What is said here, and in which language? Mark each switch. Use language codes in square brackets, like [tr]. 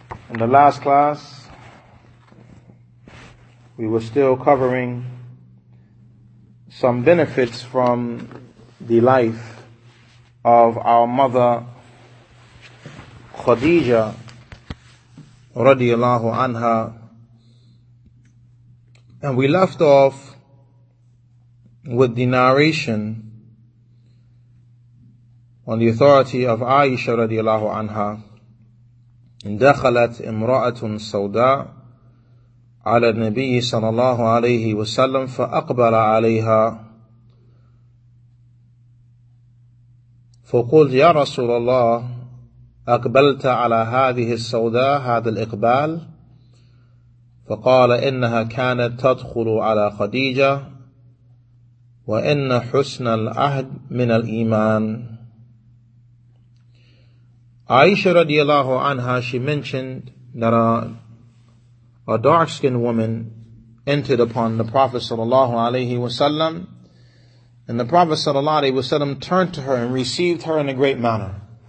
[en] In the last class, we were still covering some benefits from the life of our mother Khadija radiallahu anha, and we left off with the narration on the authority of Aisha radiallahu anha. [ar] دخلت امرأة سوداء على النبي صلى الله عليه وسلم فأقبل عليها فقلت يا رسول الله أقبلت على هذه السوداء هذا الإقبال فقال إنها كانت تدخل على خديجة وإن حسن العهد من الإيمان. [en] Aisha radiallahu anha, she mentioned that a dark-skinned woman entered upon the Prophet sallallahu alayhi wasallam, and the Prophet sallallahu alayhi wasallam turned to her and received her in a great manner.